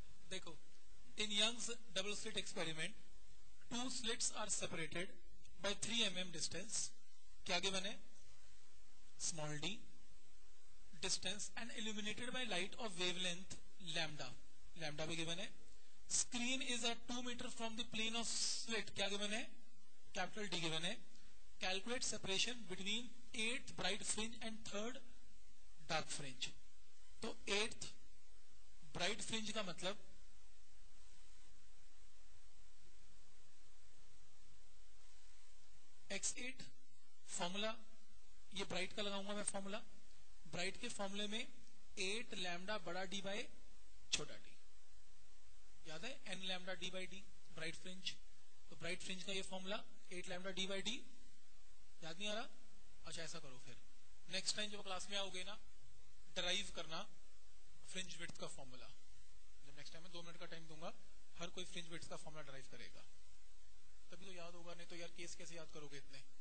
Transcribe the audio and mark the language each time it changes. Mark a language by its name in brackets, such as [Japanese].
[Urdu] دیکھو [English] In Young's double slit experiment two slits are separated by 3 mm distance. [Urdu] کیا given ہے؟ [English] Small d distance and illuminated by light of wavelength lambda. [Urdu] Lambda بھی given ہے. [English] Screen is at 2 meter from the plane of slit. [Urdu] کیا given ہے؟ Capital D given ہے. [English] Calculate separation between 8th bright fringe and 3rd dark fringe. [Urdu] تو 8th bright fringe کا مطلب X8 formula, یہ bright کا لگاؤں گا میں formula. Bright کے formula میں 8 lambda بڑا D بائے چھوٹا D. یاد ہے n lambda d by d bright fringe. تو bright fringe کا یہ formula 8 lambda d by d. یاد نہیں آ رہا؟ اچھا ایسا کرو پھر نیکسٹ ٹائم جب کلاس میں آؤ گے نا ڈرائیو کرنا فرنج ویڈتھ کا فارمولا. جب نیکسٹ ٹائم میں 2 منٹ کا ٹائم دوں گا ہر کوئی فرنج ویڈتھ کا فارمولا ڈرائیو کرے گا تبھی تو یاد ہوگا, نہیں تو یار کیس کیسے یاد کرو گے اتنے.